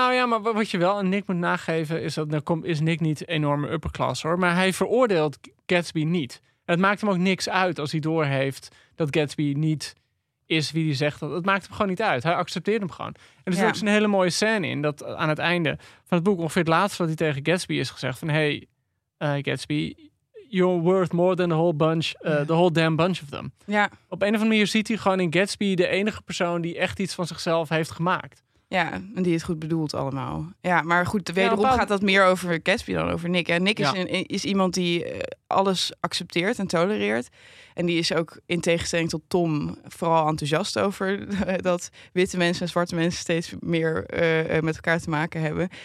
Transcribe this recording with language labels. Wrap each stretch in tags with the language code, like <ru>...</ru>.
<nl>Nou ja, maar wat je wel aan Nick moet nageven... is dat is Nick niet een enorme upperclass, hoor. Maar hij veroordeelt Gatsby niet. En het maakt hem ook niks uit als hij doorheeft... dat Gatsby niet is wie hij zegt. Dat maakt hem gewoon niet uit. Hij accepteert hem gewoon. En er zit ook zo'n hele mooie scène in... dat aan het einde van het boek... ongeveer het laatste wat hij tegen Gatsby is gezegd... van hey, Gatsby...</nl> <en>You're worth more than the whole bunch, the whole damn bunch of them.</en> <nl>Ja. Op een of andere manier ziet hij gewoon in Gatsby de enige persoon die echt iets van zichzelf heeft gemaakt. Ja, en die het goed bedoelt allemaal. Ja, maar goed, wederom gaat dat meer over Gatsby dan over Nick. En Nick is iemand die alles accepteert en tolereert. En die is ook in tegenstelling tot Tom vooral enthousiast over dat witte mensen en zwarte mensen steeds meer met elkaar te maken hebben.</nl>